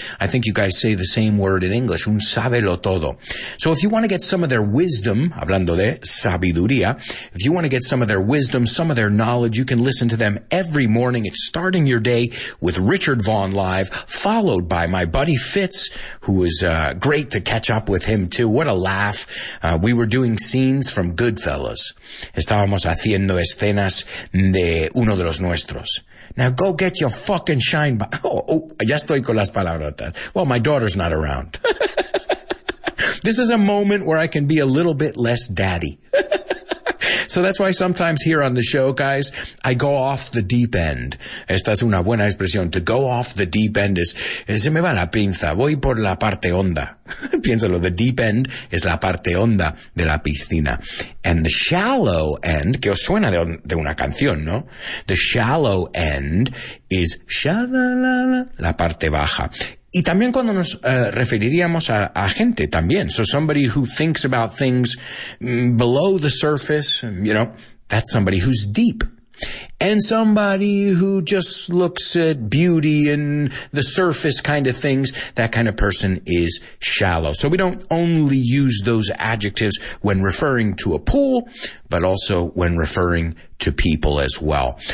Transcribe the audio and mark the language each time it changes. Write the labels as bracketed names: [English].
[English] I think you guys say the same word in English, [Spanish] un sabelo todo. [English] So if you want to get some of their wisdom, [Spanish] hablando de sabiduría, [English] if you want to get some of their wisdom, some of their knowledge, you can listen to them every morning. It's starting your day with Richard Vaughn Live, followed by my buddy Fitz, who was great to catch up with him too. What a laugh. We were doing scenes from Goodfellas. [Spanish] Estábamos haciendo escenas de uno de los nuestros. [English] Now go get your fucking shine box. [Spanish] Ya estoy con las palabrotas. [English] Well, my daughter's not around. This is a moment where I can be a little bit less daddy. So that's why sometimes here on the show, guys, I go off the deep end. [Spanish] Esta es una buena expresión. [English] To go off the deep end is, [Spanish] se me va la pinza. Voy por la parte honda. Piénsalo. [English] The deep end is [Spanish] la parte honda de la piscina. [English] And the shallow end, [Spanish] que os suena de una canción, ¿no? [English] The shallow end is sha-la-la-la, [Spanish] la parte baja. Y también cuando nos referiríamos a gente también. [English] So somebody who thinks about things below the surface, you know, that's somebody who's deep. And somebody who just looks at beauty and the surface kind of things, that kind of person is shallow. So we don't only use those adjectives when referring to a pool, but also when referring to people as well.